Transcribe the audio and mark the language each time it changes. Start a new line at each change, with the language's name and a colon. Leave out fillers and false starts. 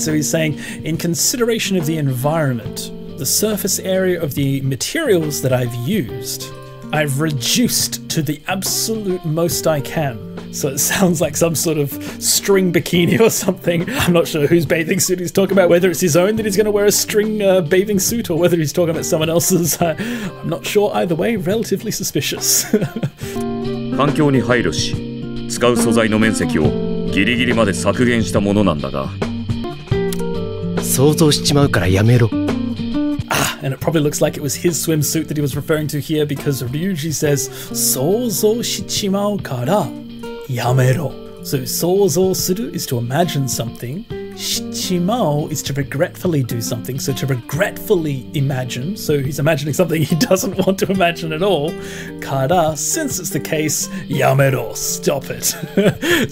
English: So he's saying, in consideration of the environment, the surface area of the materials that I've used, I've reduced to the absolute most I can. So it sounds like some sort of string bikini or something. I'm not sure whose bathing suit he's talking about, whether it's his own that he's going to wear a string bathing suit or whether he's talking about someone else's. I'm not sure either way, relatively suspicious.
Japanese: 環境に配慮し、使う素材の面積をギリギリまで削減したものなんだが。想像しちまうからやめろ。 Ah,
English: and it probably looks like it was his swimsuit that he was referring to here, because Ryuji says,
Japanese: "Sōzō shichimau kara yamero."
English: So sōzō suru is to imagine something, shichimau is to regretfully do something, so to regretfully imagine, so he's imagining something he doesn't want to imagine at all, kara, since it's the case, yamero, stop it.